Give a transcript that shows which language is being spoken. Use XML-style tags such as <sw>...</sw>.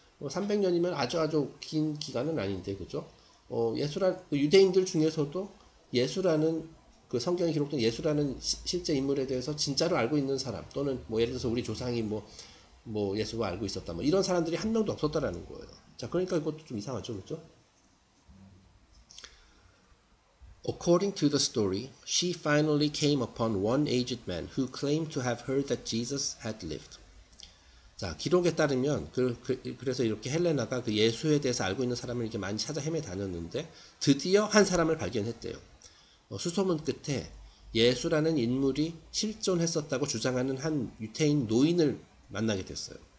<ko>300년이면 아주 긴 기간은 아닌데, 그죠? 유대인들 중에서도 예수라는 그 성경에 기록된 예수라는 실제 인물에 대해서 진짜로 알고 있는 사람 또는 뭐 예를 들어서 우리 조상이 뭐 예수가 알고 있었다 뭐 이런 사람들이 한 명도 없었다라는 거예요. 자, 그러니까 이것도 좀 이상하죠, 그렇죠?</ko> <en>According to the story, she finally came upon one aged man who claimed to have heard that Jesus had lived.</en> <ko>자, 기록에 따르면 그래서 이렇게 헬레나가 그 예수에 대해서 알고 있는 사람을 이렇게 많이 찾아 헤매다녔는데 드디어 한 사람을 발견했대요. 수소문 끝에 예수라는 인물이 실존했었다고 주장하는 한 유태인 노인을 만나게 됐어요.</ko>